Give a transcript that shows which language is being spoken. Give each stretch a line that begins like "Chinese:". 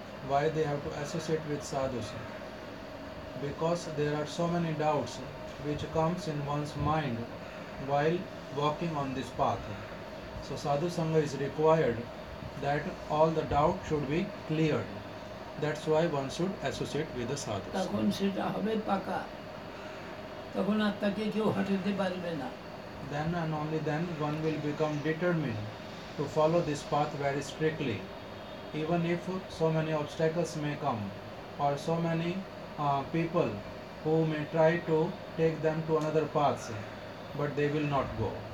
English: Why they have to associate with sadhus? Because there are so many doubts which comes in one's mind while walking on this path. So sadhu sangha is required that all the doubt should be cleared. That's why one should associate with the sadhus.
Bangla: তখন সেটা হবে পাকা, তখন আত্মাকে কেউ হটাতে পারবে না।
English: Then and only then one will become determined to follow this path very strictly, even if so many obstacles may come or so many people who may try to take them to another path, but they will not go.